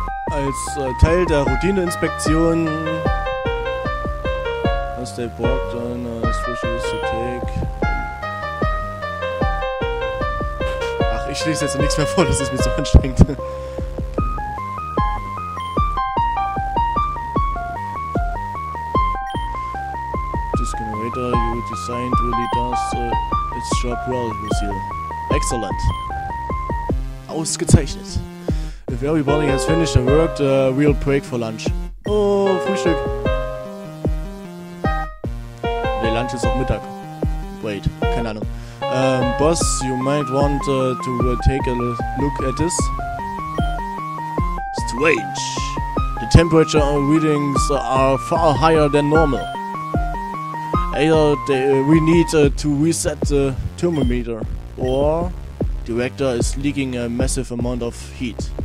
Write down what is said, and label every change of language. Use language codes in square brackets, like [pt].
[de] Als Teil der Routineinspektion aus der Borg dann Specials to Take. Ich lese jetzt nichts mehr vor, das ist mir so anstrengend. [en] This generator you designed really does its job well, Lucille. Excellent. Ausgezeichnet. If everybody has finished the work, we'll break for lunch. [de] Oh, Frühstück. Nee, Lunch ist auch Mittag. Wait, keine Ahnung. [en] Boss, you might want to take a look at this. Strange. The temperature readings are far higher than normal. We need to reset the thermometer, or the reactor is leaking a massive amount of heat.